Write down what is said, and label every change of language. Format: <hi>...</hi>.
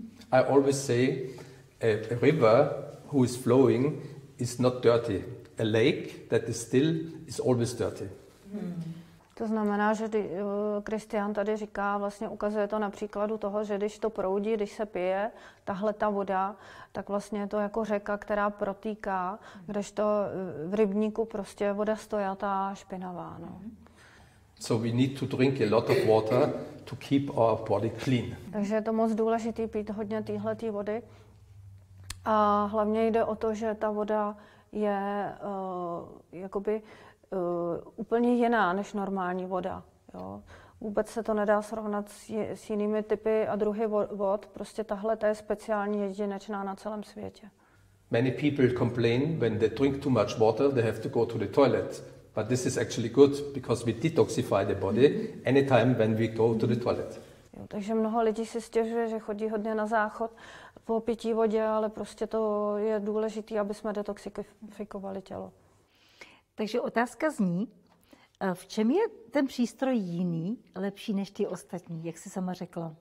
<en>I always say a river who is flowing is not dirty. A lake that is still is always dirty.</en> <cs>To znamená, že Kristián tady říká, vlastně ukazuje to na příkladu toho, že když to proudí, když se pije tahle ta voda, tak vlastně je to jako řeka, která protýká, kdežto v rybníku prostě je voda stojatá a špinavá. No.</cs> <en>So we need to drink a lot of water to keep our body clean.</en> <cs>Takže je to moc důležité pít hodně téhle vody. A hlavně jde o to, že ta voda je jakoby úplně jiná než normální voda. Jo? Vůbec se to nedá srovnat s jinými typy a druhy vod. Prostě tahle ta je speciální, jedinečná na celém světě.</cs> <en>Many people complain when they drink too much water, they have to go to the toilet. But this is actually good because we detoxify the body anytime when we go to the toilet.</en> <cs>Jo, takže mnoho lidí si stěžuje, že chodí hodně na záchod po pití vodě, ale prostě to je důležité, aby jsme detoxifikovali tělo. Takže otázka zní, v čem je ten přístroj jiný, lepší než ty ostatní, jak jsi sama řekla?</cs>